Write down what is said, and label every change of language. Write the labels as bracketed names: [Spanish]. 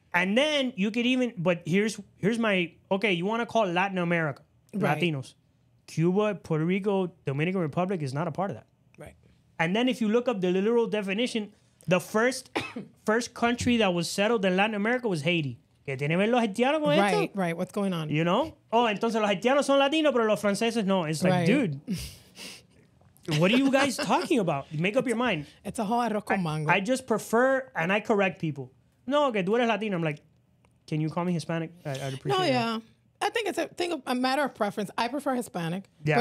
[English] And then you could even, but here's my, okay, you want to call Latin America Latinos. Cuba, Puerto Rico, Dominican Republic is not a part of that. Right. And then if you look up the literal definition, the first country that was settled in Latin America was Haiti. [Spanish] ¿Qué tiene que ver los haitianos con esto? [English] Right, what's going on? You know? [Spanish] Oh, entonces los haitianos son latinos, pero los franceses no. [English] It's like, dude, what are you guys talking about? Make up your mind. It's a whole [Spanish] arroz con mango. [English] I just prefer, and I correct people. No, okay, [Spanish] tú eres latino. [English] I'm like, can you call me Hispanic? I'd appreciate it. No, yeah. I think it's a matter of preference. I prefer Hispanic. Yeah.